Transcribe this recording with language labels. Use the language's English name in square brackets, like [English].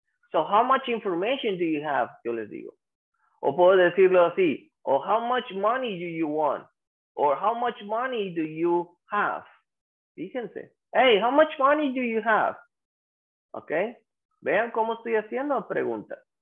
[English] So how much information do you have, [Spanish] yo les digo. O puedo decirlo así, o [English] how much money do you want? Or how much money do you have? [Spanish] Fíjense. [English] Hey, how much money do you have? Okay. [Spanish] Vean cómo estoy haciendo preguntas.